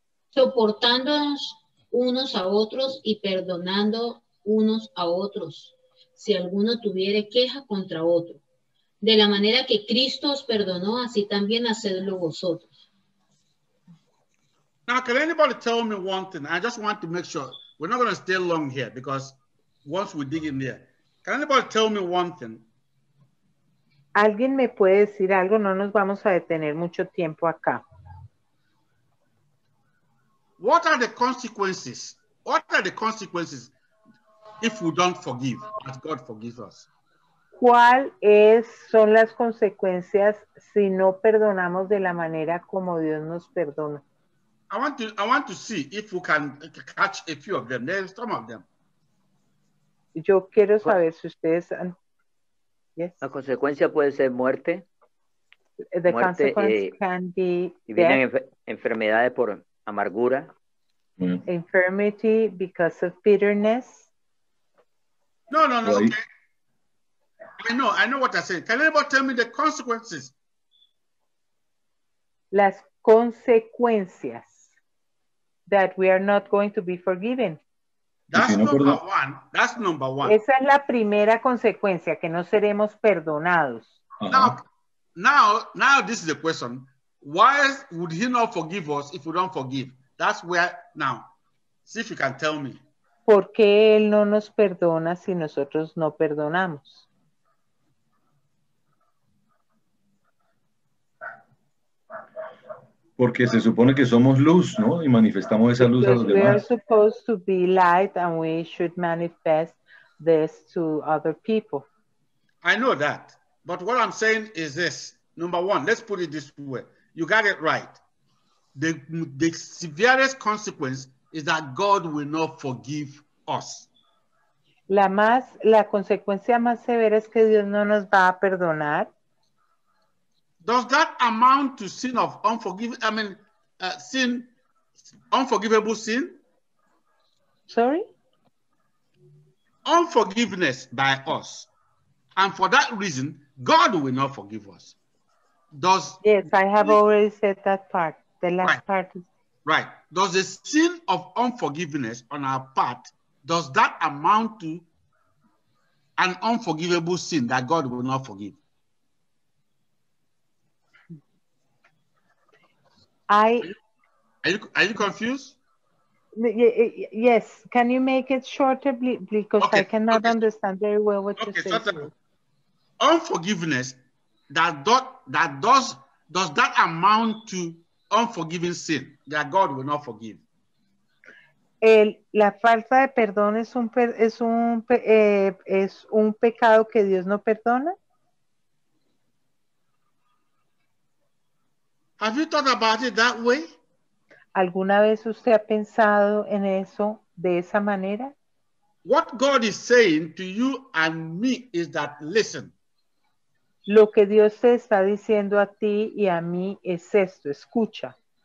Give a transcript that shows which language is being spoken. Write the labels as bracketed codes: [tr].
[es] Soportándonos unos a otros y perdonando unos a otros, si alguno tuviere queja contra otro. De la manera que Cristo os perdonó, así también hacedlo vosotros. [en] Now, can anybody tell me one thing? I just want to make sure we're not going to stay long here because once we dig in there, can anybody tell me one thing? [es] ¿Alguien me puede decir algo? No nos vamos a detener mucho tiempo acá. [en] What are the consequences? What are the consequences if we don't forgive as God forgives us? [es] ¿Cuál es, son las consecuencias si no perdonamos de la manera como Dios nos perdona? [en] I want to see if we can catch a few of them. There's some of them. [es] Yo quiero saber si ustedes han... La consecuencia puede ser muerte. [en] The [es] muerte, [en] consequence can be [es] y vienen enfermedades por amargura. [en] Mm. Infirmity because of bitterness. No. Okay. I know what I said. Can anybody tell me the consequences? [es] Las consecuencias [en] that we are not going to be forgiven. That's number one. [es] Esa es la primera consecuencia, que no seremos perdonados. [en] Now this is the question. Why would he not forgive us if we don't forgive? That's where now. See if you can tell me. [es] ¿Por qué él no nos perdona si nosotros no perdonamos? Porque se supone que somos luz, ¿no? Y manifestamos esa luz [en] because [es] a los demás. [en] We are supposed to be light and we should manifest this to other people. I know that. But what I'm saying is this. Number one, let's put it this way. You got it right. The severest consequence is that God will not forgive us. [es] La consecuencia más severa es que Dios no nos va a perdonar. [en] Does that amount to sin of unforgivable sin? Sorry? Unforgiveness by us. And for that reason, God will not forgive us. Does Yes, I have already said that part. The last right. part. Right. Does the sin of unforgiveness on our part, does that amount to an unforgivable sin that God will not forgive? Are you confused? Yes. Can you make it shorter, because okay. I cannot okay. understand very well what okay. you're saying. So unforgiveness does that amount to unforgiving sin that God will not forgive? [es] La falta de perdón es un pecado que Dios no perdona. [en] Have you thought about it that way? [es] ¿Alguna vez usted ha pensado en eso de esa manera? [en] What God is saying to you and me is that listen. [es] Lo que Dios te está diciendo a ti y a mí es esto, escucha.